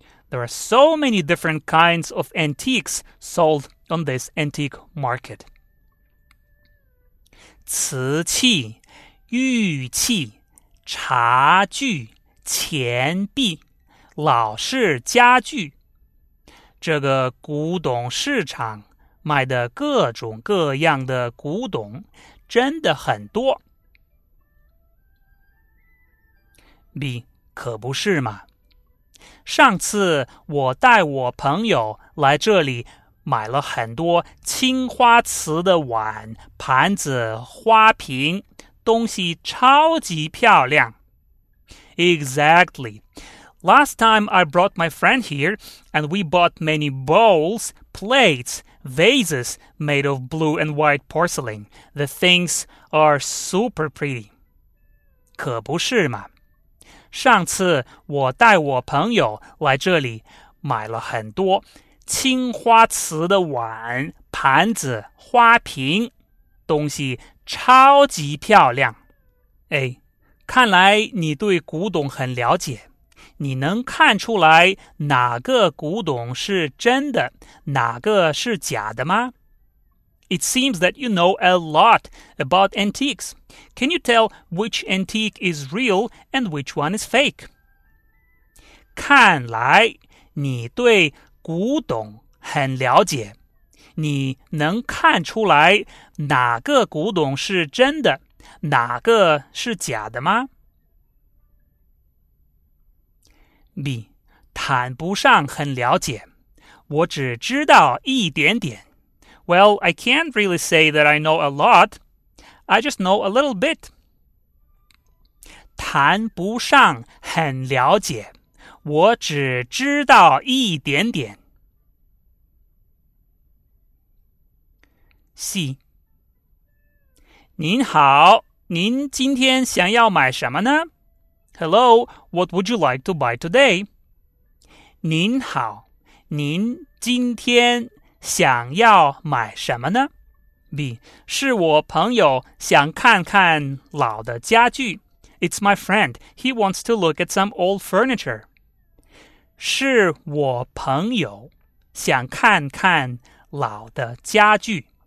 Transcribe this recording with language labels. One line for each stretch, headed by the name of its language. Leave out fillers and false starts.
English: There are so many different kinds of antiques sold on this antique market.
Chinese: 瓷器、玉器、茶具钱币、老式家具，这个古董市场卖的各种各样的古董真的很多。 B， 可不是嘛？上次我带我朋友来这里买了很多青花瓷的碗、盘子、花瓶，东西超级漂亮。
English: Exactly. Last time I brought my friend here, and we bought many bowls, plates, vases made of blue and white porcelain. The things are super pretty.
Chinese: 可不是嘛？上次我带我朋友来这里买了很多青花瓷的碗、盘子、花瓶，东西超级漂亮。
English: A.
Chinese: 看来你对古董很了解，你能看出来哪个古董是真的，哪个是假的吗？
English: It seems that you know a lot about antiques. Can you tell which antique is real and which one is fake?
Chinese: 看来你对古董很了解。你能看出来哪个古董是真的，哪个是假的吗？ B. 坦不上很了解。我只知道一点点。
English: Well, I can't really say that I know a lot. I just know a little bit.
Chinese: 谈不上很了解。我只知道一点点。
English: C.
Chinese: 您好，您今天想要买什么呢？
English: Hello, what would you like to buy today?
Chinese: 您好，您今天想要买什么呢？
English: B.
Chinese: 是我朋友想看看老的家具。
English: It's my friend. He wants to look at some old furniture.
Chinese: 是我朋友想看看老的家具。